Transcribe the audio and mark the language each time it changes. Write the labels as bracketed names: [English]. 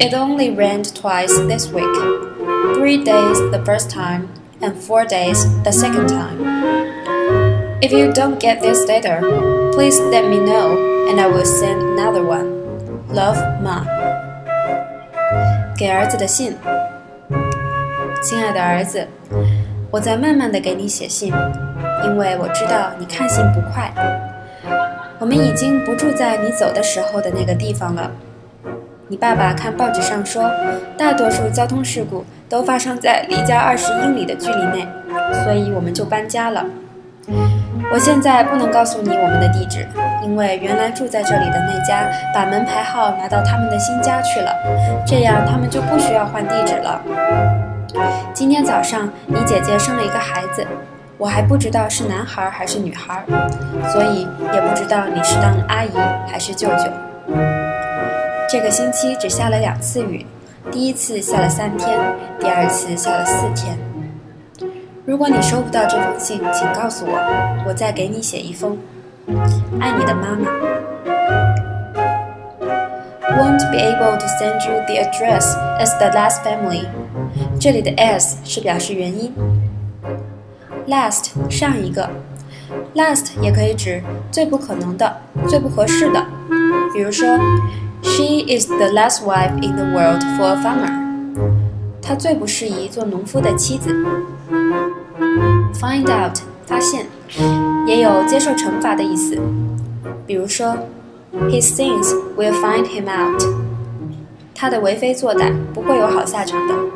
[English] It only rained twice this week. 3 days the first time, and 4 days the second time. If you don't get this letter, please let me know, and I will send another one. Love, Ma. [Chinese] 给儿子的信。亲爱的儿子，我在慢慢地给你写信，因为我知道你看信不快。我们已经不住在你走的时候的那个地方了。你爸爸看报纸上说，大多数交通事故都发生在离家20英里的距离内，所以我们就搬家了。我现在不能告诉你我们的地址，因为原来住在这里的那家把门牌号拿到他们的新家去了，这样他们就不需要换地址了。今天早上，你姐姐生了一个孩子，我还不知道是男孩还是女孩，所以也不知道你是当阿姨还是舅舅。这个星期只下了2次雨，第一次下了3天，第二次下了4天。如果你收不到这封信，请告诉我，我再给你写一封。爱你的妈妈。 [English] Won't be able to send you the address as the last family. [Chinese] 这里的 as 是表示原因。 Last 上一个 ，last 也可以指最不可能的、最不合适的，比如说。 [English] She is the last wife in the world for a farmer. [Chinese] 她最不适宜做农夫的妻子。 Find out, 发现，也有接受惩罚的意思。比如说 [English] ,His sins will find him out. [Chinese] 他的为非作歹不会有好下场的。